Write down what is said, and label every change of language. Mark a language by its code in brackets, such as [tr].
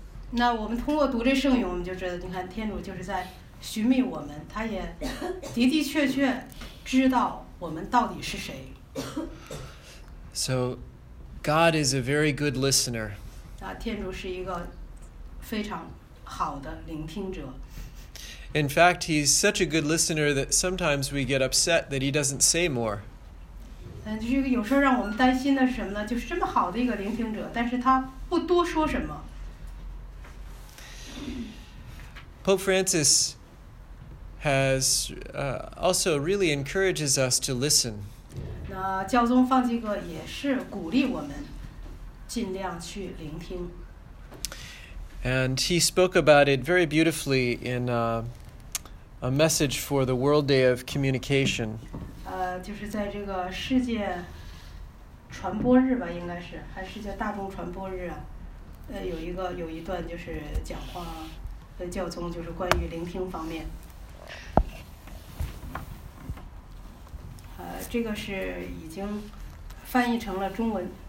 [zh] 那我们通过读这圣咏，我们就知道，你看天主就是在寻觅我们，他也的的确确知道我们到底是谁。 [en] So, God is a very good listener. [zh] 那天主是一个非常好的聆听者。 [en] In fact, he's such a good listener that sometimes we get upset that he doesn't say more. [zh] 但就是有时候让我们担心的是什么呢？就是这么好的一个聆听者，但是他不多说什么。 [en] Pope Francis has also really encourages us to listen. [zh] 那教宗方济各也是鼓励我们尽量去聆听。 [en] And he spoke about it very beautifully in a message for the World Day of Communication. [zh] 就是在这个世界传播日吧，应该是还是叫大众传播日啊。有一段就是讲话的教宗就是关于聆听方面。这个是已经翻译成了中文。